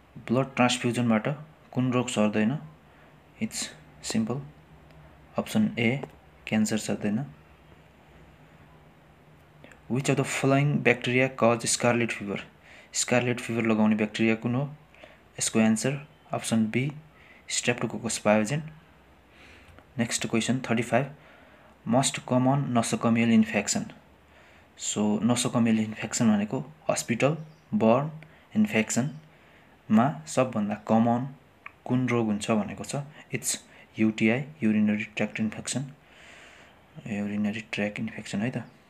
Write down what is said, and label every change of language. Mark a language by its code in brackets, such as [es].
[ne] Blood ट्रान्सफ्युजनबाट कुन रोग सर्दैन. [en] it's simple, [ne] option A cancer सर्दैन. [en] Which of the following bacteria cause scarlet fever. [ne] Scarlett fever लगाउने bacteria कुन हो. यसको answer option be Streptococcus पायोजेन. [en] Next question 35 most common nosocomial infection. [ne] So नोसोकमियल infection भनेको hospital burn इन्फेक्सनमा सबभन्दा common कुन रोग हुन्छ भनेको छ. [en] It's UTI urinary tract infection. Urinary tract infection है त.